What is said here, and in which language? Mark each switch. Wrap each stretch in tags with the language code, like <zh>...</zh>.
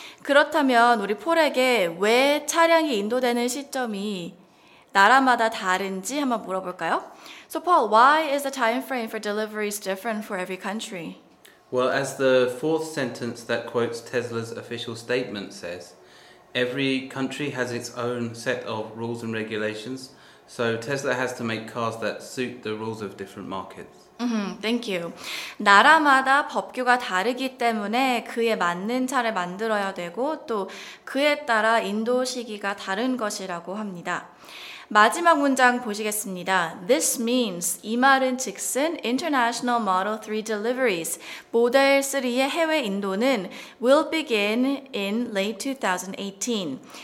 <ko>그렇다면 우리 폴에게 왜 차량이 인도되는 시점이 나라마다 다른지 한번 물어볼까요?</ko> <en>So Paul, why is the time frame for deliveries different for every country? Well, as the fourth sentence that quotes Tesla's official statement says, every country has its own set of rules and regulations, So Tesla has to make cars that suit the rules of different markets. Mm-hmm, thank you.</en> <ko>나라마다 법규가 다르기 때문에 그에 맞는 차를 만들어야 되고 또 그에 따라 인도 시기가 다른 것이라고 합니다. 마지막 문장 보시겠습니다.</ko> <en>This means</en> <ko>이 말은 즉슨</ko> <en>International Model 3 deliveries,</en> <ko>모델3의 해외 인도는</ko> <en>will begin in late 2018.</en>